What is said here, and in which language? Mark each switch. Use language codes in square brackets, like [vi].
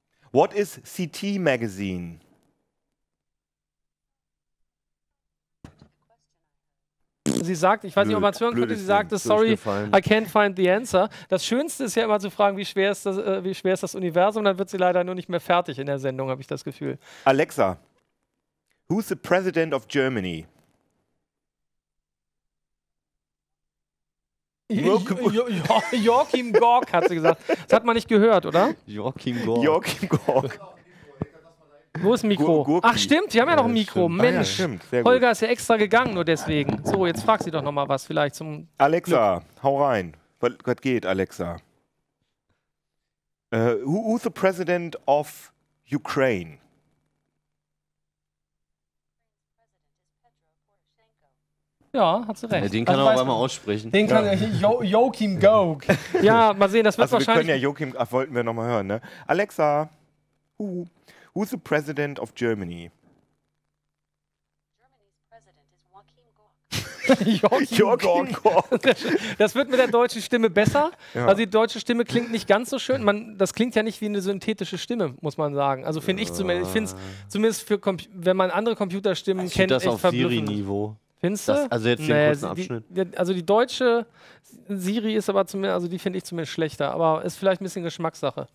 [en] What is CT Magazine? [de] Sie sagt, ich weiß blöd, nicht, ob man es hören könnte, sie sagte, [en] sorry, I can't find the answer. [de] Das Schönste ist ja immer zu fragen, wie schwer ist das Universum, dann wird sie leider nur nicht mehr fertig in der Sendung, habe ich das Gefühl. [en] Alexa, who's the president of Germany? [de] Joachim Gauck, hat sie gesagt. Das hat man nicht gehört, oder? Joachim Gauck. Wo ist Mikro? Gurki. Ach stimmt, wir haben ja noch ein Mikro. Stimmt. Mensch, ah, ja, sehr Holger gut. Ist ja extra gegangen, nur deswegen. So, jetzt frag sie doch nochmal was vielleicht zum Alexa, Glück. Hau rein. Was geht, Alexa? [en] Who's the president of Ukraine? [de] Ja, hat sie recht. Ja, den kann also er auch einmal aussprechen. Den kann er, Joachim Gauck. Ja, mal sehen, das wird also wahrscheinlich... Also wir können ja Joachim, ach, wollten wir nochmal hören, ne? [en] Alexa, Who's the president of Germany? Germany's president is Joachim Gauck. [de] Joachim Gauck. Das wird mit der deutschen Stimme besser. Ja. Also die deutsche Stimme klingt nicht ganz so schön. Das klingt ja nicht wie eine synthetische Stimme, muss man sagen. Also finde ich zumindest. Ich finde es zumindest, für wenn man andere Computerstimmen also kennt, echt verblüffend. Das auf Siri-Niveau. Findest du? Also jetzt den kurzen Abschnitt. Die deutsche Siri ist aber zumindest, also die finde ich zumindest schlechter, aber ist vielleicht ein bisschen Geschmackssache.